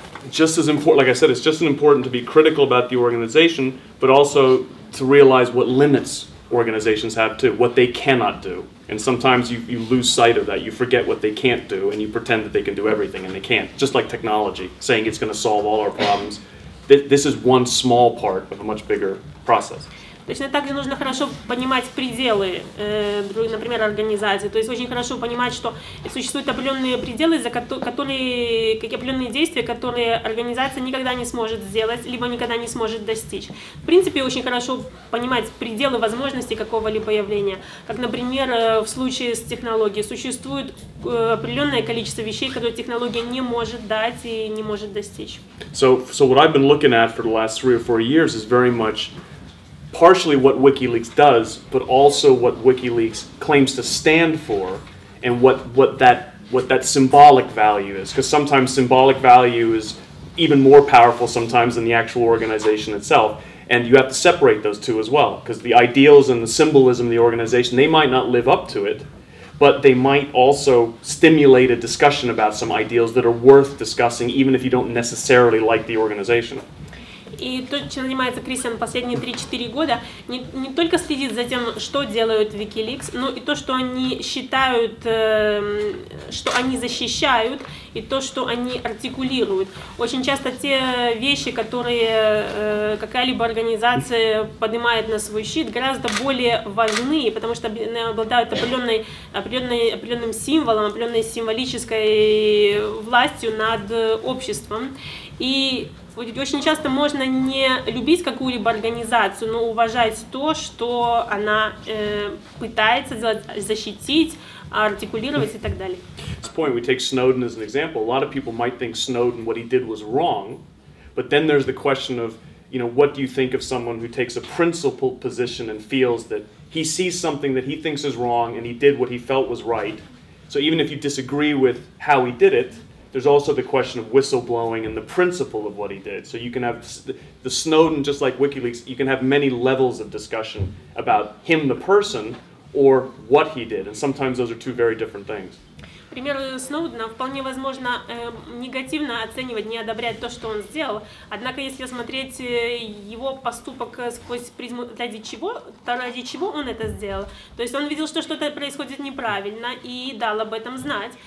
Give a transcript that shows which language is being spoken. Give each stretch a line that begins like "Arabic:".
English: Just as important, like I said, it's just as important to be critical about the organization, but also to realize what limits organizations have too, what they cannot do. And sometimes you lose sight of that, you forget what they can't do, and you pretend that they can do everything, and they can't. Just like technology, saying it's going to solve all our problems. This is one small part of a much bigger process.
Russian: Точно так же нужно хорошо понимать пределы, например, организации. То есть очень хорошо понимать, что существуют определенные пределы, за которые какие определенные действия, которые организация никогда не сможет сделать, либо никогда не сможет достичь. В принципе, очень хорошо понимать пределы возможностей какого-либо явления. Как, например, в случае с технологией. Существует определенное количество вещей, которые технология не может дать и не может достичь.
English: So what I've been looking at for the last three or four years is very much partially what WikiLeaks does, but also what WikiLeaks claims to stand for, and what that symbolic value is. Because sometimes symbolic value is even more powerful sometimes than the actual organization itself. And you have to separate those two as well, because the ideals and the symbolism of the organization, they might not live up to it, but they might also stimulate a discussion about some ideals that are worth discussing, even if you don't necessarily like the organization.
Russian: И то, чем занимается Кристиан последние 3-4 года, не только следит за тем, что делают WikiLeaks, но и то, что они считают, что они защищают, и то, что они артикулируют. Очень часто те вещи, которые какая-либо организация поднимает на свой щит, гораздо более важны, потому что они обладают определенным символом, определенной символической властью над обществом. И очень часто можно не любить какую-либо организацию, но уважать то, что она пытается делать, защитить, артикулировать и так далее.
English: This point, we take Snowden as an example. A lot of people might think Snowden, what he did was wrong, but then there's the question of, you know, what do you think of someone who takes a principled position and feels that he sees something that he thinks is wrong and he did what he felt was right. So even if you disagree with how he did it, there's also the question of whistleblowing and the principle of what he did. So you can have the Snowden, just like WikiLeaks, you can have many levels of discussion about him, the person, or what he did. And sometimes those are two very different things.
Russian: Пример Сноудена вполне возможно негативно оценивать, не одобрять то, что он сделал. Однако, если смотреть его поступок сквозь призму ради чего он это сделал, то есть он видел, что что-то происходит неправильно и дал об этом знать.